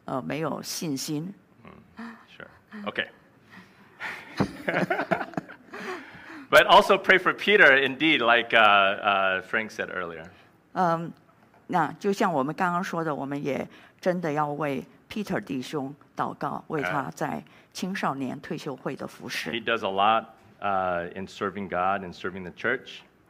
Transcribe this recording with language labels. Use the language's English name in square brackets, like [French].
[Chinese] 因为他的血，人的血气，肉体，对，让他对自己的中文没有信心。 [English] Sure. Okay. But also pray for Peter, indeed, like Frank said earlier. [Chinese] 那就像我们刚刚说的，我们也真的要为 Peter 弟兄祷告，为他在青少年退休会的服侍。 [English] He does a lot in serving God and serving the church.